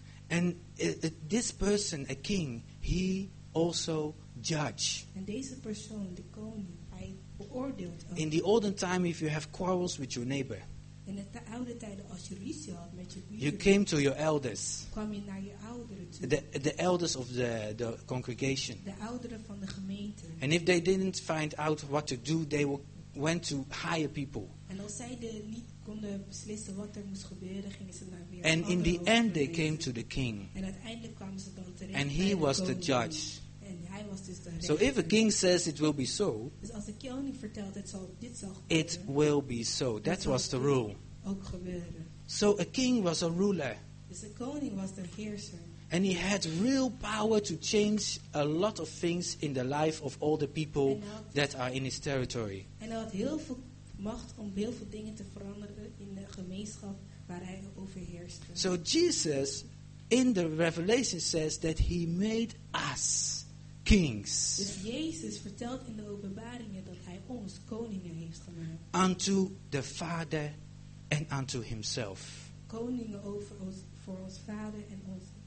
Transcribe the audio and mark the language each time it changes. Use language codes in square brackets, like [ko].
[en] And this person, a king, he also judge. [nl] And deze persoon, de koning, hij beoordeelt ook. [en] In the olden time, if you have quarrels with your neighbor, [nl] in de oude tijden, als je ruzie had met je buren, [en] you came to your elders. [nl] Kwam je naar je ouderen toe. [en] The elders of the congregation. [nl] De ouderen van de gemeente. [en] And if they didn't find out what to do, they went to higher people. [nl] En als zij de niet konden beslissen wat er moest gebeuren, gingen ze naar weer. [en] And in the end they came to the king. [nl] En uiteindelijk kwamen ze dan terecht. [en] And he was [nl] koning. [en] The judge. [nl] En hij was dus de rechter. [en] So if a king says it will be so. [nl] Dus als de koning vertelt dat dit zal gebeuren. [en] It will be so. That was the rule. [nl] Ook gebeuren. [en] So a king was a ruler. [nl] Dus de koning was de heerser. [en] And he had real power to change a lot of things in the life of all the people that are in his territory. [nl] En hij had heel veel macht om heel veel dingen te veranderen in de gemeenschap waar hij overheerste. [en] So Jesus in the Revelation says that he made us kings. [nl] Dus Jezus vertelt in de Openbaringen dat hij ons koningen heeft gemaakt. [en] Unto the Father and unto himself. [nl] Koningen over ons, voor ons Vader en ons.